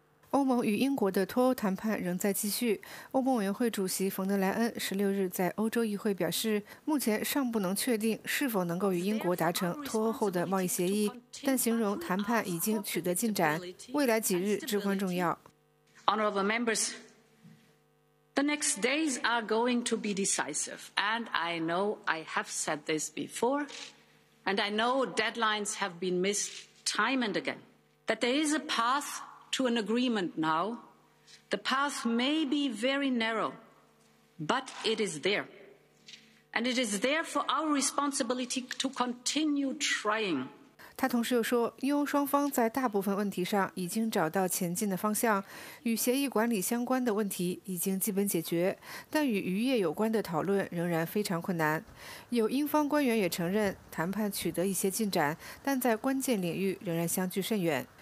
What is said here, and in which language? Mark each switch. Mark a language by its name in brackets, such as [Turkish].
[Chinese] 欧盟与英国的脱欧谈判仍在继续。欧盟委员会主席冯德莱恩16日在欧洲议会表示，目前尚不能确定是否能够与英国达成脱欧后的贸易协议，但形容谈判已经取得进展，未来几日至关重要。 [English] Honourable members. The next days are going to be decisive, and I know I have said this before, and I know deadlines have been missed time and again, that there is a path to an agreement now. The path may be very narrow, but it is there. And it is there for our responsibility to continue trying. [Chinese] 他同时又说，英欧双方在大部分问题上已经找到前进的方向，与协议管理相关的问题已经基本解决，但与渔业有关的讨论仍然非常困难。有英方官员也承认，谈判取得一些进展，但在关键领域仍然相距甚远。